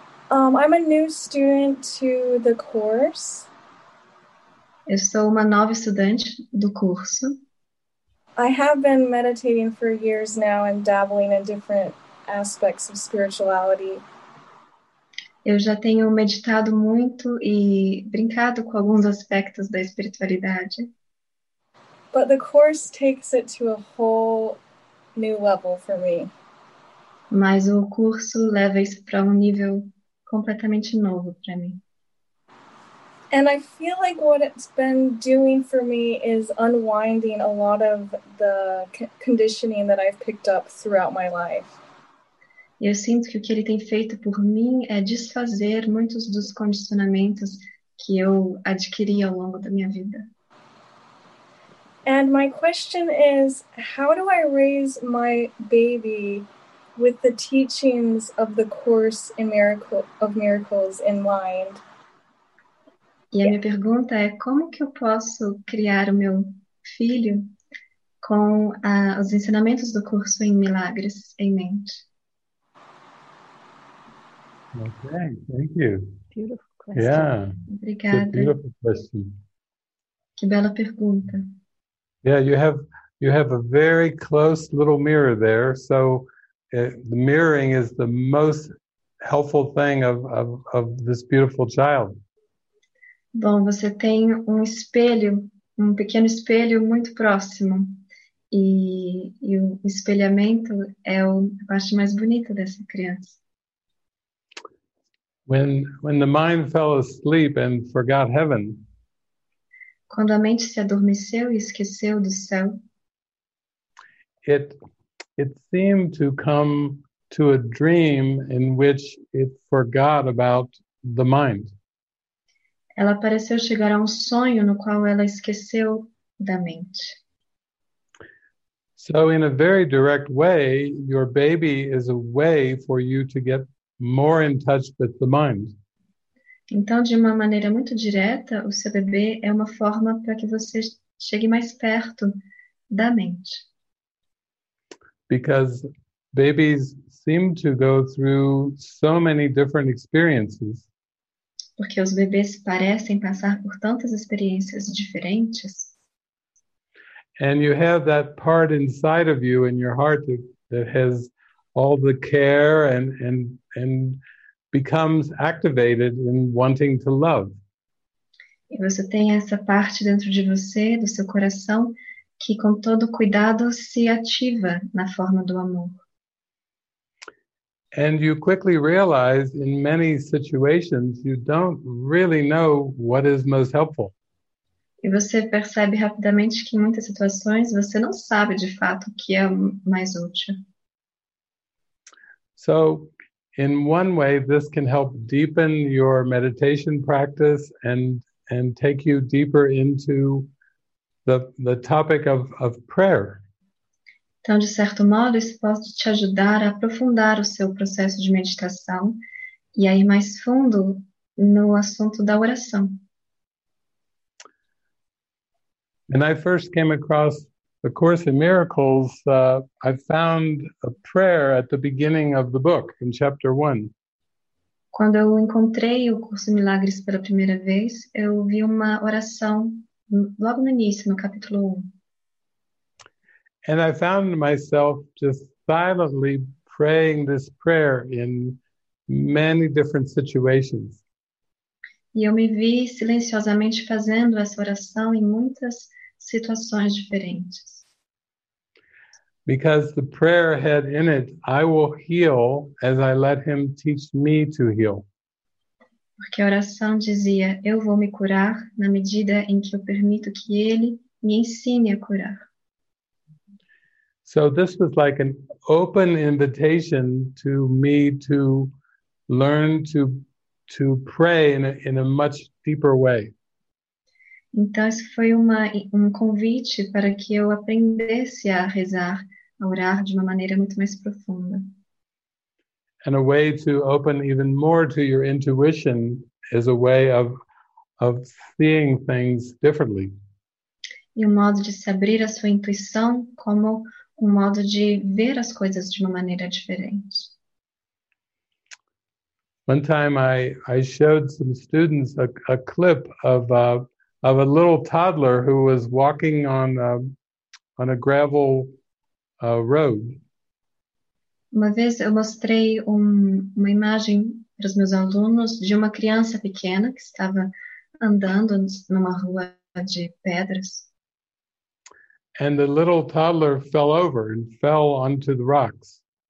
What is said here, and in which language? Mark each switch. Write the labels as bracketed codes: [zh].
[en] I'm a new student to the course. [pt] Eu sou uma nova estudante do curso. [en] I have been meditating for years now and dabbling in different aspects of spirituality. [pt] Eu já tenho meditado muito e brincado com alguns aspectos da espiritualidade. [en] But the course takes it to a whole new level for me. [pt] Mas o curso leva isso para nível completamente novo para mim. [en] And I feel like what it's been doing for me is unwinding a lot of the conditioning that I've picked up throughout my life. [pt] Eu sinto que o que ele tem feito por mim é desfazer muitos dos condicionamentos que eu adquiri ao longo da minha vida. [en] And my question is, how do I raise my baby with the teachings of the Course in Miracles in mind? [pt] E a minha pergunta é, como que eu posso criar o meu filho com os ensinamentos do curso em milagres em mente? [en] Ok, thank you. Beautiful question. Yeah. [pt] Obrigada. [en] Beautiful question. [pt] Que bela pergunta. [en] Yeah, you have a very close little mirror there, so the mirroring is the most helpful thing of this beautiful child. [pt] Bom, você tem espelho, pequeno espelho muito próximo. E o espelhamento é a parte mais bonita dessa criança. [en] When the mind fell asleep and forgot heaven. [pt] Quando a mente se adormeceu e esqueceu do céu. [en] It seemed to come to a dream in which it forgot about the mind. [pt] Ela pareceu chegar a sonho no qual ela esqueceu da mente. [en] So in a very direct way, your baby is a way for you to get more in touch with the mind. [pt] Então, de uma maneira muito direta, o seu bebê é uma forma para que você chegue mais perto da mente. [en] Because babies seem to go through so many different experiences. [pt] Porque os bebês parecem passar por tantas experiências diferentes. [en] And you have that part inside of you in your heart that has all the care and becomes activated in wanting to love. [pt] E você tem essa parte dentro de você, do seu coração, que com todo cuidado se ativa na forma do amor. [en] And you quickly realize in many situations you don't really know what is most helpful. [pt] E você percebe rapidamente que em muitas situações você não sabe de fato o que é mais útil. [en] So, in one way, this can help deepen your meditation practice and take you deeper into the topic of prayer. [pt] Então, de certo modo, isso pode te ajudar a aprofundar o seu processo de meditação e a ir mais fundo no assunto da oração. [en] And I first came across the Course in Miracles, I found a prayer at the beginning of the book, in chapter 1. [pt] Quando eu encontrei o Curso em Milagres pela primeira vez, eu vi uma oração logo no início, no capítulo 1. [en] And I found myself just silently praying this prayer in many different situations. [pt] E eu me vi silenciosamente fazendo essa oração em muitas situações diferentes. [en] Because the prayer had in it, I will heal as I let him teach me to heal. [pt] Porque a oração dizia, eu vou me curar na medida em que eu permito que ele me ensine a curar. [en] So this was like an open invitation to me to learn to pray in a much deeper way. [pt] Então isso foi um convite para que eu aprendesse a rezar, a orar de uma maneira muito mais profunda. [en] And a way to open even more to your intuition is a way of seeing things differently. [pt] E um modo de se abrir a sua intuição como um modo de ver as coisas de uma maneira diferente. [en] One time I showed some students a clip of a little toddler who was walking on a gravel road. [pt] Uma vez eu mostrei uma imagem para os meus alunos de uma criança pequena que estava andando numa rua de pedras. [en] And the little toddler fell over and fell onto the rocks.